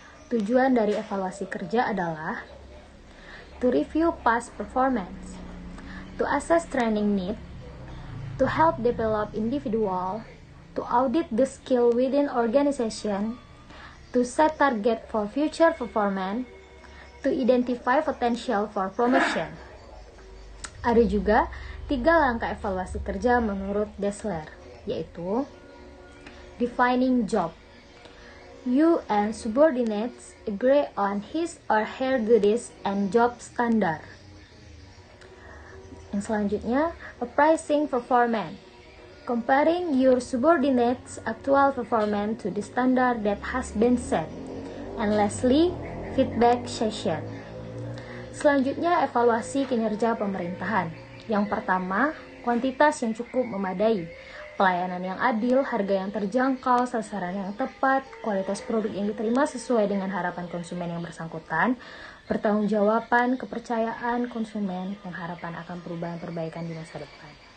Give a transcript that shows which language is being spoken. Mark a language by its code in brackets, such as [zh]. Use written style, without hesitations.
[id] Tujuan dari evaluasi kerja adalah [en] to review past performance, to assess training need, to help develop individual, to audit the skill within organization, to set target for future performance, to identify potential for promotion. [id] Ada juga tiga langkah evaluasi kerja menurut Dessler, yaitu defining job. [en] You and subordinates agree on his or her duties and job standard. [id] Yang selanjutnya, [en] appraising performance. Comparing your subordinates' actual performance to the standard that has been set. And lastly, feedback session. [id] Selanjutnya, evaluasi kinerja pemerintahan. Yang pertama, kuantitas yang cukup memadai. Pelayanan yang adil, harga yang terjangkau, sasaran yang tepat, kualitas produk yang diterima sesuai dengan harapan konsumen yang bersangkutan, pertanggungjawaban, kepercayaan konsumen, pengharapan akan perubahan perbaikan di masa depan.